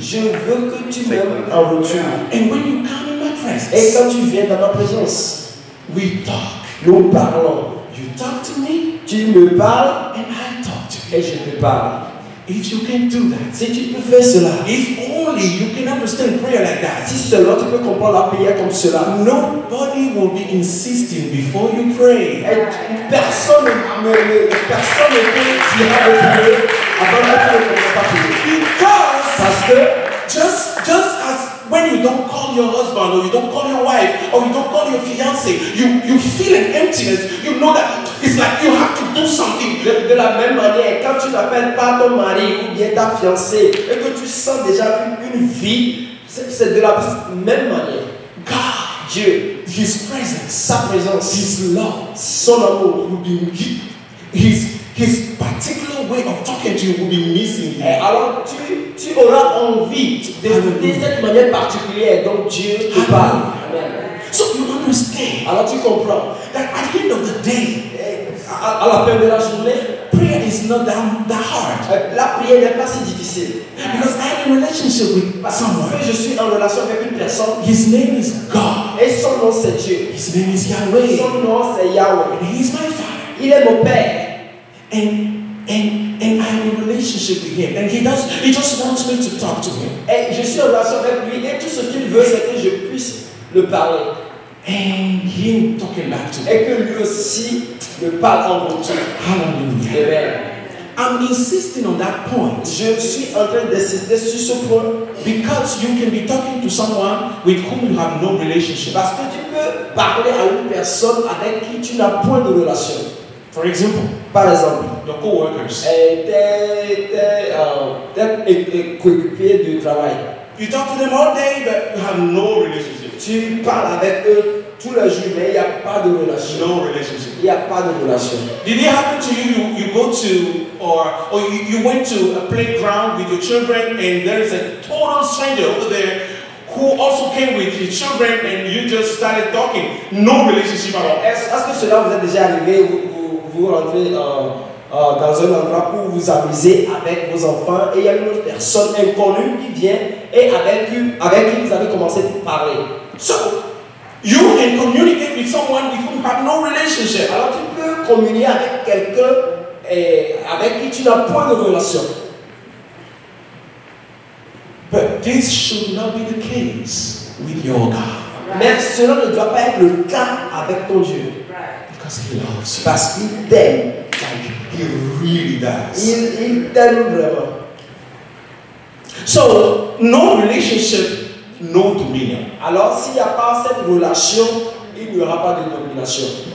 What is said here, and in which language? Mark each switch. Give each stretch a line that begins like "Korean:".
French: Je veux que tu m'aimes en retour.
English: And when you come in my presence,
French: et quand tu viens dans ma présence,
English: we talk.
French: Nous parlons.
English: You talk to me.
French: Tu me parles.
English: And I talk to you.
French: Et je te parle.
English: If you can do that,
French: si tu peux faire cela,
English: if only you can understand prayer like that,
French: si seulement tu peux comprendre la prière comme cela,
English: nobody will be insisting before you pray.
French: Et personne ne peut dire de prier avant que tu ne commences pas à prier.
English: Because,
French: parce que,
English: just as when you don't call your husband or you don't call your wife or you don't call your fiancé, you feel an emptiness. You know that. It's like you have to do something.
French: De la même manière, quand tu n'appelles pas ton mari ou bien ta fiancée et que tu sens déjà une vie, c'est de la même manière.
English: God,
French: Dieu,
English: His presence,
French: sa présence,
English: His love,
French: son amour,
English: His particular way of talking to you will be missing.
French: Et alors tu auras envie de cette manière particulière dont Dieu te parle.
English: Amen. So you understand.
French: Alors tu comprends
English: that at the end of the day.
French: À la fin de la journée,
English: prayer is not that hard.
French: La prière n'est pas si difficile.
English: Because I'm in relationship with someone.
French: Je suis en relation avec une personne.
English: His name is God.
French: Et son nom c'est Dieu.
English: His name is Yahweh.
French: Son nom c'est Yahweh.
English: And he's my father.
French: Il est mon père.
English: And I'm in relationship with him. And he just wants me to talk to him.
French: Et je suis en relation avec lui. Et tout ce qu'il veut, c'est que je puisse le parler.
English: And him talking back to me.
French: Et que lui aussi me parle en retour.
English: Hallelujah. Amen. I'm insisting on that point.
French: Je suis en train d'insister sur ce point.
English: Because you can be talking to someone with whom you have no relationship.
French: Parce que tu peux parler à une personne avec qui tu n'as point de relation.
English: For example,
French: par exemple,
English: your co-workers.
French: Tes coéquipiers de travail.
English: You talk to them all day, but you have no relationship.
French: Tu parles avec eux tous les jours, mais il n'y a pas de relation.
English: No relationship.
French: Il n'y a pas de relation.
English: Did it happen to you? You go to or you went to a playground with your children, and there is a total stranger over there who also came with his children, and you just started talking. No relationship at all.
French: Est-ce que cela vous est déjà arrivé? Vous rentrez dans un endroit pour vous amuser avec vos enfants, et il y a une autre personne inconnue qui vient et avec qui vous avez commencé à parler.
English: So, you can communicate with someone with whom you have no relationship.
French: Alors tu peux communiquer avec quelqu'un avec qui tu n'as point de relation.
English: But this should not be the case with your God. Right.
French: Mais cela ne doit pas être le cas avec ton Dieu.
English: Right. Because He loves you.
French: Parce qu'il t'aime.
English: Like He really does.
French: Il t'aime vraiment.
English: So, no relationship, no dominion.
French: Alors, s'il n'y a pas cette relation, il n'y aura pas de domination.